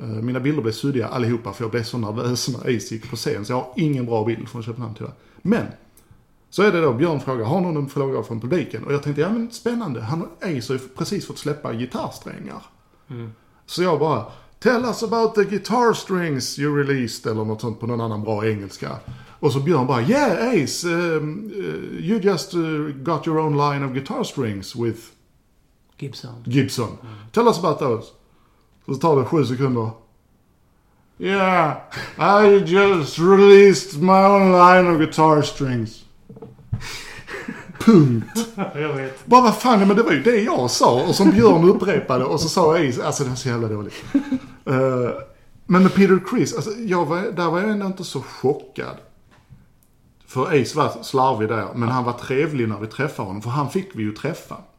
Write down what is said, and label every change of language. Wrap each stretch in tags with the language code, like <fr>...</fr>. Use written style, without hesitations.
<sv>Mina bilder blev suddiga allihopa, för jag blev så nervös när Ace gick på scen. Så jag har ingen bra bild från Köpenhamn tyvärr. Men... Så är det då, Björn frågar, har någon fråga från publiken? Och jag tänkte, ja men spännande, han och Ace har precis fått släppa gitarrsträngar. Mm. Så jag bara,</sv> <en>tell us about the guitar strings you released,</en> <sv>eller något sånt på någon annan bra engelska. Och så Björn bara,</sv> <en>yeah Ace, you just got your own line of guitar strings with Gibson.</en> <sv>Mm.</sv> <en>Tell us about those.</en> <sv>Så tar det 7 sekunder.</sv> <en>Yeah, I just released my own line of guitar strings.</en> <sv>Punkt. Jag vet. Bara vad fan, men det var ju det jag sa. Och som Björn upprepade. Och så sa jag, alltså det var så jävla dåligt. Men med Peter Criss, alltså, där var jag ändå inte så chockad. För Ace var slarvig där. Men han var trevlig när vi träffade honom. För han fick vi ju träffa.</sv>